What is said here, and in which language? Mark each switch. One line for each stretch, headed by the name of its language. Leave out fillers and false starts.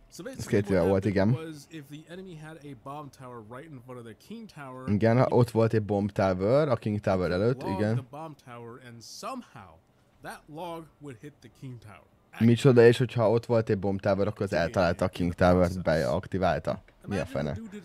English: So basically, what happened was if the enemy had a bomb tower right in front of the king tower.
Hungarian: Igen, ott volt egy bomb tower a king tower előtt, igen.
English: The bomb tower, and somehow that log would hit the king tower.
Hungarian: Micsoda, és hogyha ott volt egy bomb tower, akkor az eltalálta a king towert, beaktiválta. Mi a fene?